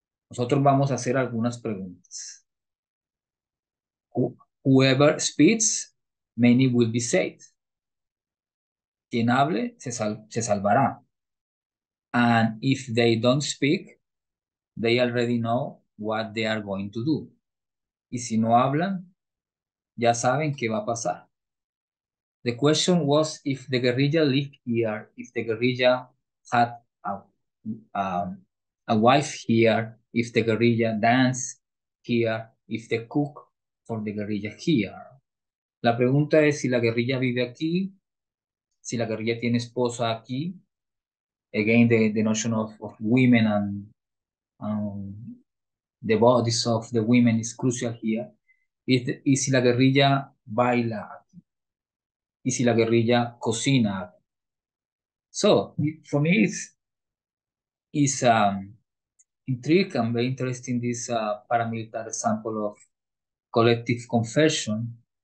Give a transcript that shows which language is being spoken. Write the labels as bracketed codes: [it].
[es] Nosotros vamos a hacer algunas preguntas. [en] Whoever speaks, many will be saved. [es] Quien hable, se salvará. [en] And if they don't speak, they already know what they are going to do. [es] Y si no hablan, ya saben qué va a pasar. [en] The question was if the guerrilla lived here, if the guerrilla had a wife here, if the guerrilla danced here, if the cook for the guerrilla here. [es] La pregunta es si la guerrilla vive aquí, si la guerrilla tiene esposa aquí. [en] Again, the notion of women and the bodies of the women is crucial here. [es] Y si la guerrilla baila aquí. Y si la guerrilla cocina aquí. [en] So, for me, it's intriguing and very interesting, this paramilitary example of collective confession.